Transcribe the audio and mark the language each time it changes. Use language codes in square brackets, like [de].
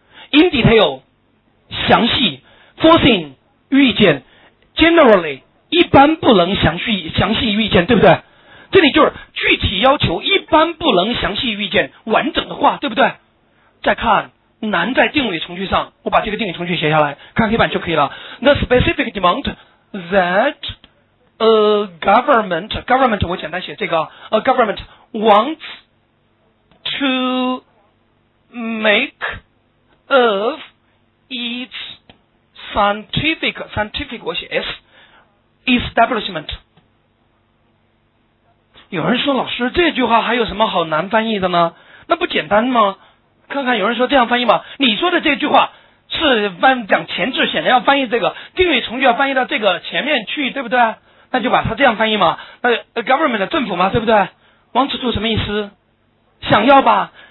[zh] in detail 详细， foreseen 预见， generally 一般不能详细预见，对不对？这里就是具体要求一般不能详细预见完整的话，对不对？再看难在定语从句上，我把这个定语从句写下来看黑板就可以了。 [en] The specific demand that a government [zh] 我简单写这个 [en] a government wants to make of its scientific [zh] 我写 [en] S establishment。 [zh] 有人说老师这句话还有什么好难翻译的呢？那不简单吗？看看有人说这样翻译吗？你说的这句话是翻讲前置，显然要翻译这个定语从句要翻译到这个前面去，对不对？那就把它这样翻译嘛。Government 的政府嘛，对不对？Want to 什么意思？想要吧。